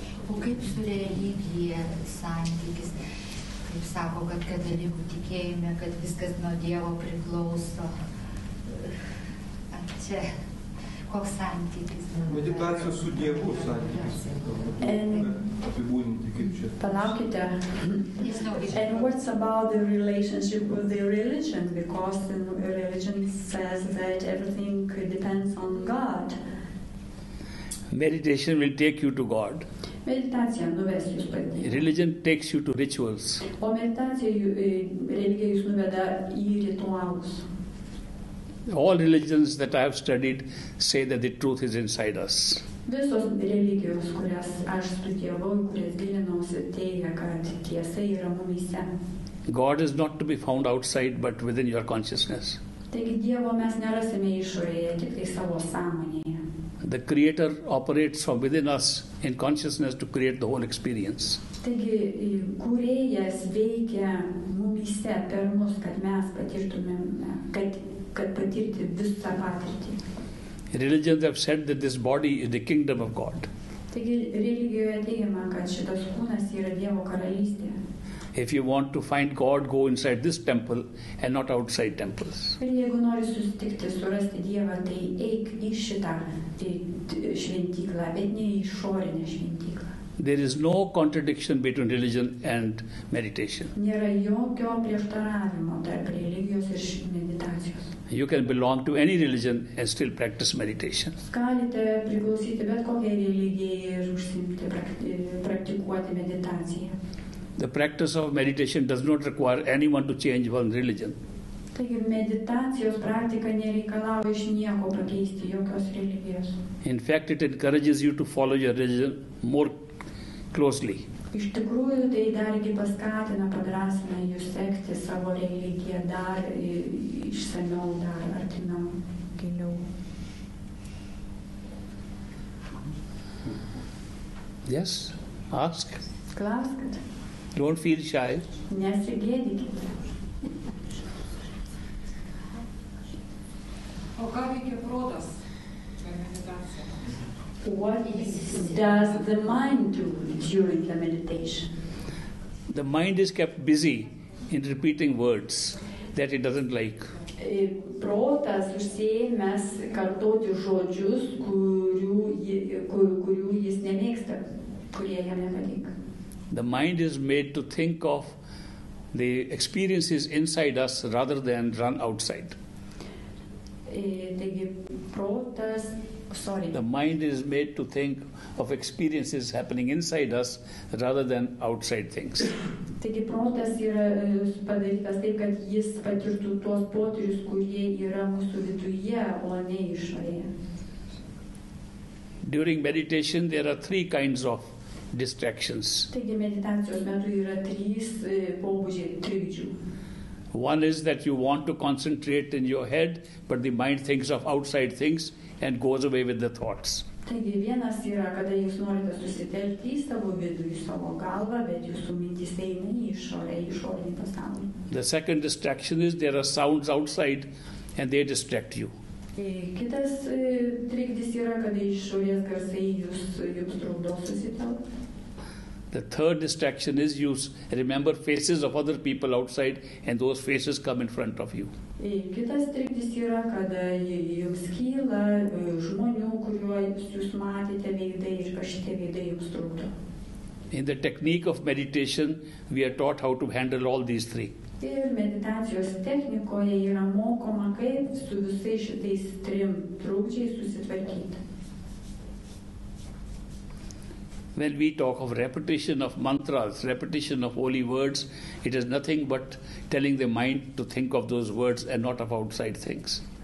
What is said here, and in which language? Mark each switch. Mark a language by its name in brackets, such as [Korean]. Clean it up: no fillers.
[Lithuanian] O kaip su religija santykis? Kaip sako, kad katalikų tikėjime, kad viskas nuo Dievo priklauso. Čia koks santykis? Meditacijos su Dievu santykis. [English] And what's about the relationship with the religion? Because the religion says that everything depends on God. Meditation will take you to God. [Lithuanian] Meditacija nuves jūs pas Dievą. [English] Religion takes you to rituals. [Lithuanian] O meditacija religija jūs nuveda į ritualus. [English] All religions that I have studied say that the truth is inside us. [Lithuanian] Visos religijos, kurias aš studijavau, kurias gilinausi, teigia, kad tiesa yra mumyse. [English] God is not to be found outside, but within your consciousness. [Lithuanian] Taigi Dievo mes nerasime išorėje, tik tai savo sąmonėje. [English] The Creator operates from within us in consciousness to create the whole experience. [Lithuanian] Taigi kūrėjas veikia mumyse per mus, kad mes patirtumėme, kad patirti visą patirtį. [English] Religions have said that this body is the kingdom of God. [Lithuanian] Taigi religijoje teigiama, kad šitas kūnas yra Dievo karalystė. [English] If you want to find God, go inside this temple and not outside temples. [Lithuanian] Ir jeigu nori susitikti, surasti Dievą, tai eik į šitą šventyklą, bet ne į išorinę šventyklą. [English] There is no contradiction between religion and meditation. [Lithuanian] Nėra jokio prieštaravimo tarp religijos ir meditacijos. [English] You can belong to any religion and still practice meditation. [Lithuanian] Galite priklausyti bet kokiai religijai ir užsiimti praktikuoti meditaciją. [English] The practice of meditation does not require anyone to change one's religion. [Lithuanian] Taigi meditacijos praktika nereikalauja iš nieko pakeisti jokios religijos. [English] In fact, it encourages you to follow your religion more closely. [Lithuanian] Iš tikrųjų, tai dargi paskatina, padrasina jūs sekti savo religiją dar išsamiau, dar artimiau, giliau. [English] Yes, ask. [Lithuanian] Klauskit. [English] Don't feel shy. [Lithuanian] Nesigėdykit. O ką veikia protas? [English] What does the mind do during the meditation? The mind is kept busy in repeating words that it doesn't like. Protas užsiėmęs kartoti žodžius, kurių jis nemėgsta, kurie jam nepatinka. The mind is made to think of the experiences inside us rather than run outside. The mind is made to think of experiences happening inside us rather than outside things. [Lithuanian] Taigi protas yra padarytas taip, kad jis patirtų tuos potyrius, kurie yra mūsų viduje, o ne išorėje. [English] During meditation there are three kinds of distractions. [Lithuanian] Taigi meditacijos metu yra trys pobūdžiai trikdžių. [English] One is that you want to concentrate in your head, but the mind thinks of outside things and goes away with the thoughts. [Lithuanian] Taigi vienas yra, kada jūs norite susitelkti į savo vidų, į savo galvą, bet jūsų mintys eina į išorę, į išorinį pasaulį. [English] The second distraction is there are sounds outside and they distract you. [Lithuanian] Kitas trikdis yra, kada iš išorės garsai jums trukdo susitelkti. [English] The third distraction is you remember faces of other people outside and those faces come in front of you. [Lithuanian] Kitas trikdis yra, kada jums kyla žmonių, kuriuos jūs matėte veidai ir kažkite veidai jums trukdo. [English] In the technique of meditation, we are taught how to handle all these three. [Lithuanian] Ir meditacijos technikoje yra mokoma, kaip su visais šitais trim trukdžiais susitvarkyti. [English] When we talk of repetition of mantras, repetition of holy words, it is nothing but telling the mind to think of those words and not of outside things.